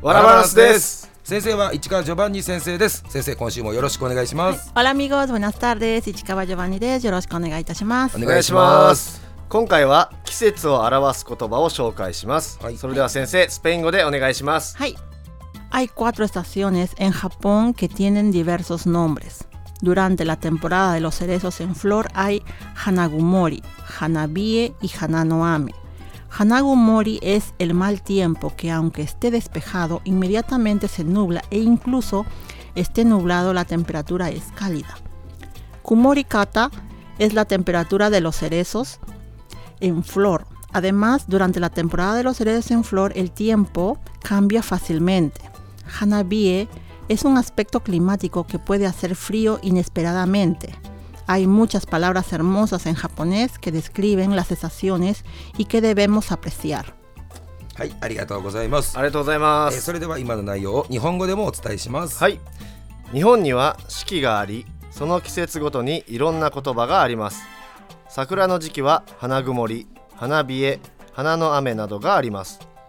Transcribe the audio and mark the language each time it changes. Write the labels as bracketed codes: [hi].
[ja] ワラバラスです。先生は市川ジョバンニ先生です。先生、今週もよろしくお願いします。オラミゴーズブナスタールです。市川ジョバンニです。よろしくお願いいたします。お願いします。今回は季節を表す言葉を紹介します。はい、それでは先生、スペイン語でお願いします。はい。 [es] Hay cuatro estaciones en Japón que tienen diversos nombres. Durante la temporada de los cerezos en flor hay Hanagumori, Hanabie y Hananoame. Hanagumori es el mal tiempo que, aunque esté despejado, inmediatamente se nubla e incluso esté nublado la temperatura es cálida. Kumorikata es la temperatura de los cerezos en flor. Además, durante la temporada de los cerezos en flor el tiempo cambia fácilmente. Hanabie es un aspecto climático que puede hacer frío inesperadamente. Hay muchas palabras hermosas en japonés que describen las estaciones y que debemos apreciar. [ja] はい、ありがとうございます。ありがとうございます。それでは今の内容を日本語でもお伝えします。はい。日本には四季があり、その季節ごとにいろんな言葉があります。桜の時期は花曇り、花冷え、花の雨などがあります。